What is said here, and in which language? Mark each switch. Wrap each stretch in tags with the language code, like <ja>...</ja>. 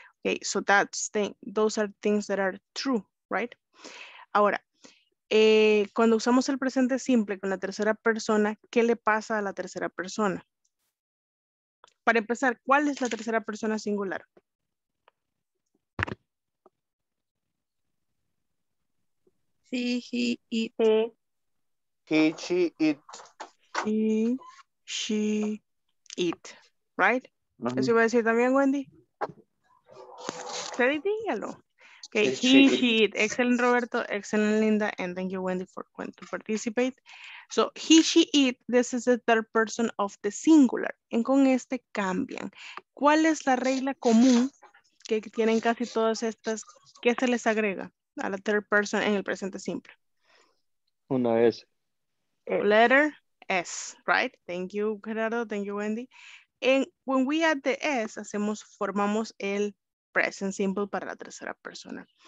<en>Okay, so that's those are things that are true, right?</en> <es>Ahora, cuando usamos el presente simple con la tercera persona, ¿qué le pasa a la tercera persona? Para empezar, ¿cuál es la tercera persona singular?</es> <en>She, he, it. He, she, it. He, she, it. Right? Uh-huh.</en> <es>¿Eso iba a decir también, Wendy? Sí, dígalo.</es> <en>Okay, he, she, it. Excelente, Roberto. Excelente, Linda. And thank you, Wendy, for going to participate. So, he, she, it, this is the third person of the singular.</en> <es>Y con este cambian. ¿Cuál es la regla común que tienen casi todas estas? ¿Qué se les agrega a la third person en el presente simple? Una S.</es> <en>Letter S, right? Thank you, Gerardo. Thank you, Wendy. And when we add the S,</en> <es>hacemos, formamos el present simple para la tercera persona.</es>